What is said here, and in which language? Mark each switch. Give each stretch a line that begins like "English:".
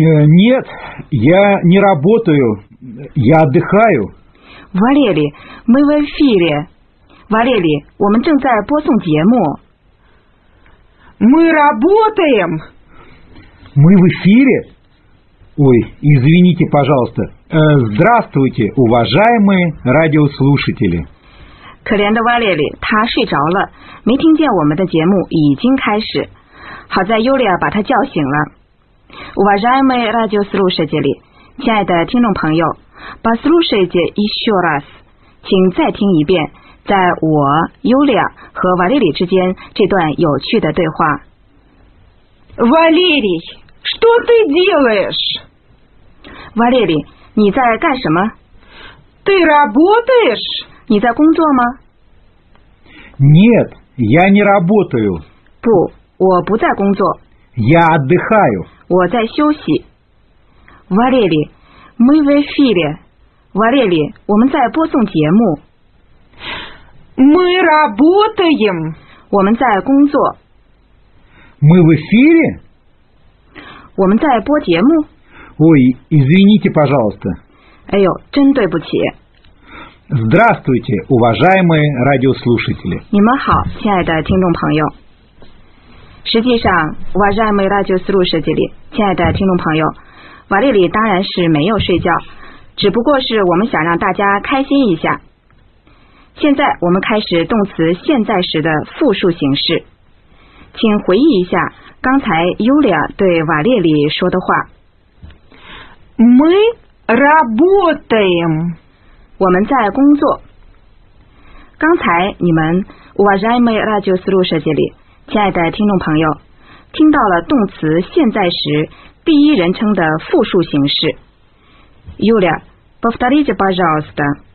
Russian: Нет, я не работаю, я отдыхаю. Валерий, мы в эфире.
Chinese: Валерий, 我们正在播送节目。
Russian: Мы работаем. Мы в эфире? Ой, извините, пожалуйста. Здравствуйте, уважаемые радиослушатели.
Chinese: 可怜的瓦列里，他睡着了，没听见我们的节目已经开始。好在尤利亚把他叫醒了。瓦扎梅拉就斯路设计里，亲爱的听众朋友，把斯路设计一秀拉斯，请再听一遍，在我尤利亚和瓦列里之间这段有趣的对话。
Russian: 瓦列里，что ты делаешь？
Chinese: 瓦列里，你在干什么
Russian: ？Ты работаешь？
Chinese: 你在工作吗
Russian: ？Нет, я не работаю.
Chinese: 不，我不在工作。
Russian: Я отдыхаю.
Chinese: 我在休息。
Russian: Валерий, мы в эфире.
Chinese: Валерий, 我们在播送节目。
Russian: Мы работаем.
Chinese: 我们在工作。
Russian: Мы в эфире.
Chinese: 我们在播节目。
Russian: Ой, извините, пожалуйста.
Chinese: 哎呦，真对不起。
Russian: Здравствуйте, уважаемые радиослушатели.
Chinese: 你们好，亲爱的听众朋友。实际上，瓦扎梅拉就思路设计里，亲爱的听众朋友，瓦列里当然是没有睡觉，只不过是我们想让大家开心一下。现在我们开始动词现在时的复数形式，请回忆一下刚才尤利亚对瓦列里说的话。
Russian: Мы работаем.
Chinese: 我们在工作。刚才你们
Russian: Уважаемые радиослушатели
Chinese: 亲爱的听众朋友听到了动词现在时第一人称的复数形式。
Russian: Юля, повторите, пожалуйста.